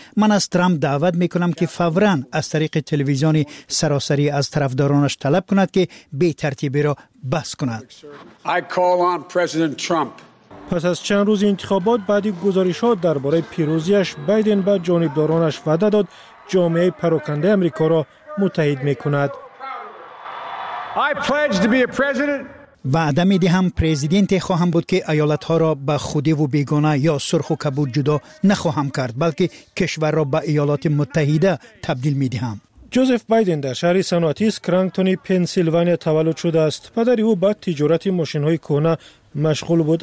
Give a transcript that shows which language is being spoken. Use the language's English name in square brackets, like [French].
[Persian] من از ترامپ دعوت میکنم که فوراً از طریق تلویزیون سراسری از طرفدارانش طلب کند که بی ترتیبی را بس کند. [English] I call on President Trump. [Persian] پس از چند روز انتخابات، بعد گزارش‌ها درباره پیروزیش، بایدن به جانبدارانش وعده داد جامعه پراکنده آمریکا را متحد میکند. [English] I pledge to be a president. [Persian] وعده میدهم پرزیدنت خواهم بود که ایالت ها را به خودی و بیگانه یا سرخ و کبود جدا نخواهم کرد، بلکه کشور را به ایالات متحده تبدیل میدهم. جوزف بایدن در شهر صنعتی اسکرانگتون پنسیلوانیا تولد شده است. پدر او با تجارت ماشین های کهنه مشغول بود.